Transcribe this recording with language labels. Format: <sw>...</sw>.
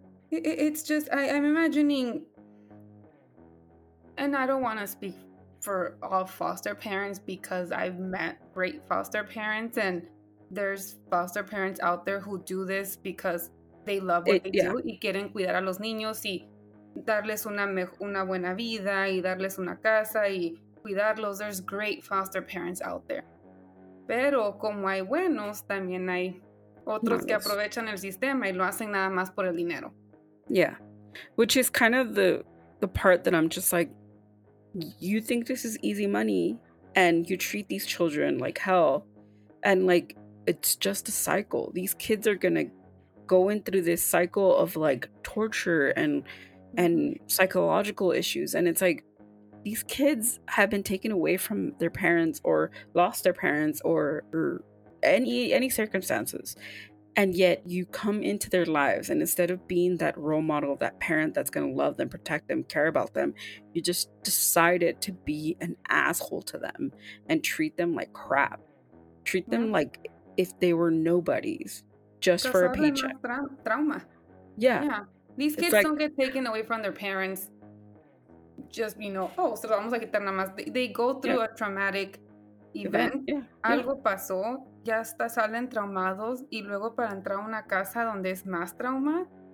<en>It's just, I'm imagining, and I don't want to speak for all foster parents because I've met great foster parents, and there's foster parents out there who do this because they love what they do.</en> <es>Y quieren cuidar a los niños y darles una buena vida y darles una casa y cuidarlos.</es> <en>There's great foster parents out there.</en> <es>Pero como hay buenos, también hay otros que aprovechan el sistema y lo hacen nada más por el dinero.</es> <en>Yeah, which is kind of the part that I'm just like, you think this is easy money and you treat these children like hell. And like, it's just a cycle. These kids are going to go in through this cycle of like torture and psychological issues. And it's like, these kids have been taken away from their parents or lost their parents or any circumstances. And yet you come into their lives, and instead of being that role model, that parent that's going to love them, protect them, care about them, you just decided to be an asshole to them and treat them like crap. Treat them like if they were nobodies just for a paycheck. Trauma. Yeah. These kids don't get taken away from their parents just, you know, so it's almost like they're</en> <es>nada más.</es> <en>They go through a traumatic event.</en> <es>Algo pasó. Ya hasta salen traumados y luego para entrar a una casa donde es más trauma.</es>